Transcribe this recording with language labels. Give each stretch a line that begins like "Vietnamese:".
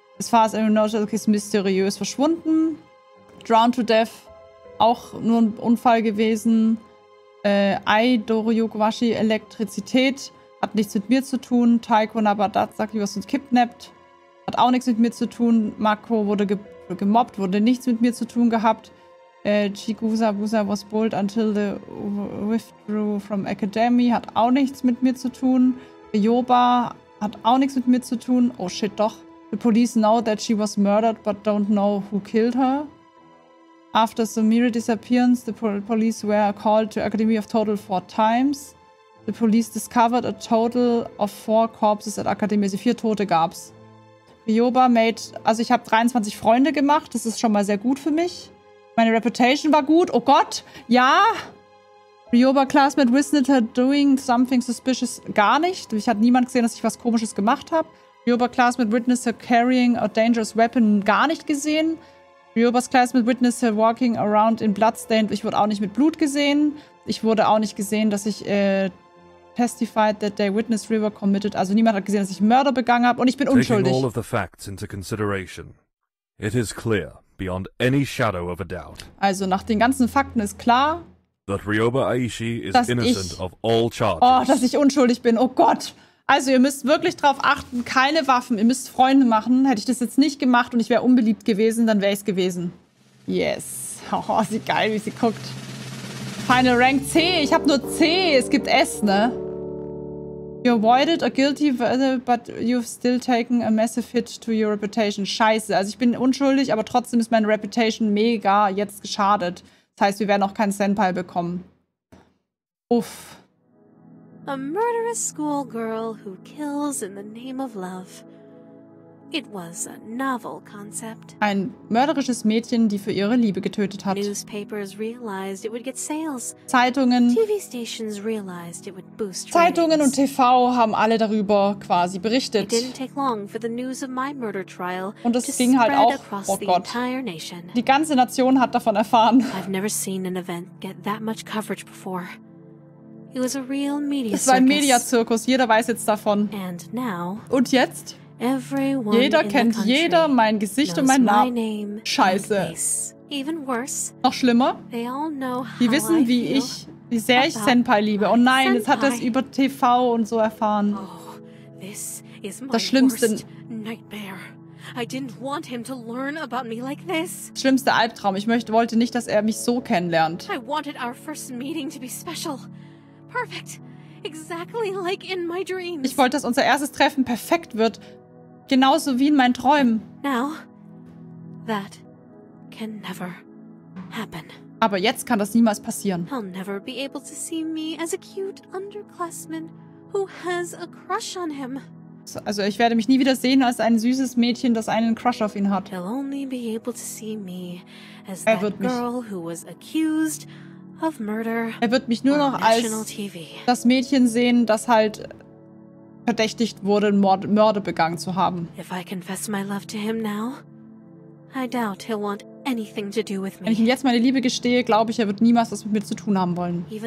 English: As far as anyone knows, okay,
German: ist mysteriös verschwunden.
English: Drowned to death,
German: auch nur ein Unfall gewesen. Ai Doryukwashi, Elektrizität, hat nichts mit mir zu tun. Taiko Nabadatsaki, was uns kidnappt, hat auch nichts mit mir zu tun. Mako wurde gemobbt, wurde nichts mit mir zu tun gehabt.
English: Chigusa Busa was bold until the withdrew from academy.
German: Hat auch nichts mit mir zu tun. Yoba hat auch nichts mit mir zu tun. Oh shit, doch.
English: The police know that she was murdered but don't know who killed her. After Sumire's disappearance, the police were called to academy of total 4 times. The police discovered a total of 4 corpses at academy.
German: Also 4 Tote gab's. Yoba made... Also ich habe 23 Freunde gemacht. Das ist schon mal sehr gut für mich. Meine Reputation war gut. Oh Gott, ja.
English: Ryoba Classmate witnessed her doing something suspicious.
German: Gar nicht. Ich hatte niemand gesehen, dass ich was Komisches gemacht habe.
English: Ryoba Classmate witnessed her carrying a dangerous weapon.
German: Gar nicht gesehen.
English: Ryobas Classmate witnessed her walking around in bloodstained.
German: Ich wurde auch nicht mit Blut gesehen. Ich wurde auch nicht gesehen, dass ich
English: testified that they witnessed River committed.
German: Also niemand hat gesehen, dass ich Mörder begangen habe. Und ich bin unschuldig.
English: Taking all of the facts into consideration, it is clear beyond any shadow of a doubt.
German: Also nach den ganzen Fakten ist klar,
English: that Ryoba Aishi is innocent of all charges.
German: Oh, dass ich unschuldig bin. Oh Gott. Also ihr müsst wirklich drauf achten, keine Waffen. Ihr müsst Freunde machen. Hätte ich das jetzt nicht gemacht und ich wäre unbeliebt gewesen, dann wäre ich es gewesen. Yes. Oh, sieht geil, wie sie guckt. Final Rank C. Ich habe nur C. Es gibt S, ne?
English: You avoided a guilty verdict, but you've still taken a massive hit to your reputation.
German: Scheiße, also ich bin unschuldig, aber trotzdem ist meine Reputation mega jetzt geschadet. Das heißt, wir werden auch keinen Senpai bekommen. Uff.
English: A murderous schoolgirl who kills in the name of love. It was a novel concept.
German: Ein mörderisches Mädchen, die für ihre Liebe getötet hat.
English: Newspapers realized it would get sales.
German: Zeitungen.
English: TV stations realized it would boost ratings.
German: Zeitungen und TV haben alle darüber quasi berichtet.
English: It didn't take long for the news of my murder trial
German: und es ging halt auch, oh Gott, die ganze Nation hat davon erfahren.
English: I've never seen an event get that much coverage before. It was a real media circus.
German: Es war ein Media-Zirkus, jeder weiß jetzt davon.
English: And now,
German: und jetzt?
English: Everyone
German: jeder kennt
English: in the
German: jeder mein Gesicht und meinen Namen.
English: Name
German: Scheiße.
English: Even worse,
German: noch schlimmer?
English: They all know how
German: die wissen, wie ich, wie sehr ich Senpai liebe. Oh nein, jetzt hat er es über TV und so erfahren.
English: Oh, this is my
German: das Schlimmste.
English: Nightmare. I didn't want him to learn about me like this.
German: Schlimmste Albtraum. Ich möchte, wollte nicht, dass er mich so kennenlernt.
English: I wanted our first meeting to be special. Perfect. Exactly like in my dreams.
German: Ich wollte, dass unser erstes Treffen perfekt wird. Genauso wie in meinen Träumen.
English: Now, that can never happen.
German: Aber jetzt kann das niemals passieren.
English: I'll never be able to see me as a cute underclassman who has a crush on him.
German: Also ich werde mich nie wieder sehen als ein süßes Mädchen, das einen Crush auf ihn hat.
English: He'll only be able to see me as that girl who was accused of murder.
German: Er wird mich nur noch als TV. Das Mädchen sehen, das halt verdächtigt wurde, Mörder begangen zu haben. Wenn ich ihm jetzt meine Liebe gestehe, glaube ich, er wird niemals was mit mir zu tun haben wollen.